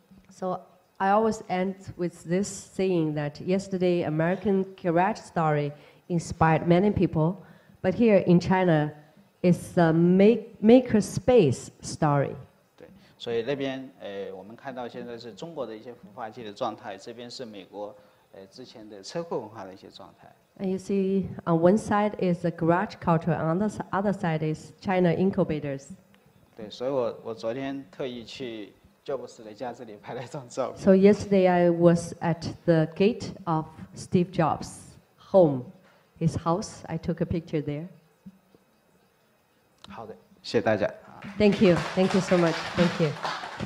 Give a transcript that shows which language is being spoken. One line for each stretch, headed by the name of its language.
English: So I always end with this saying that yesterday American courage story inspired many people, but here in ChinaIt's a maker space story.
Chinese: 对，所以那边我们看到现在是中国的一些孵化器的状态，这边是美国之前的车库文化的一些状态。
English: And you see, on one side is the garage culture, on the other side is China incubators.
Chinese: 对，所以我昨天特意去 Jobs 的家这里拍了一张照片。
English: So yesterday I was at the gate of Steve Jobs' home, his house. I took a picture there.
Chinese: 好的，谢谢大家。
English: Thank you so much. Thank you.